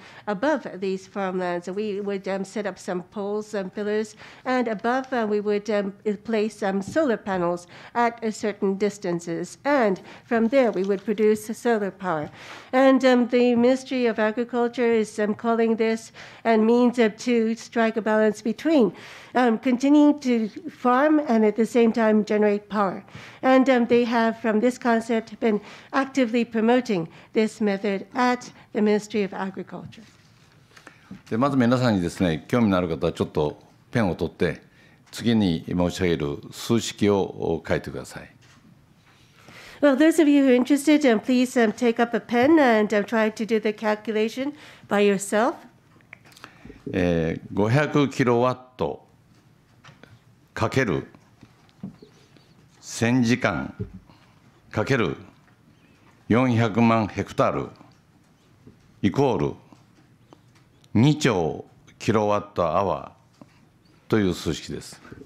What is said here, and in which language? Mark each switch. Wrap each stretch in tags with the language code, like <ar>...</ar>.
<en>Above these farmlands, we would set up some poles and pillars, and above we would place some solar panels at certain distances, and from there we would produce solar power. And the Ministry of Agriculture is calling this and means concept to strike a balance between continuing to farm and at the same time generate power. And they have, from this concept, been actively promoting this method at the Ministry of Agriculture.</en> <ja>でまず皆さんにですね、興味のある方はちょっとペンを取って、次に申し上げる数式を書いてください。</ja> <en>Well, those of you who are interested, please take up a pen and try to do the calculation by yourself.</en> <ja>500 kilowatt かける1000時間かける400万ヘクタールイコール2兆キロワットアワーという数式です。</ja>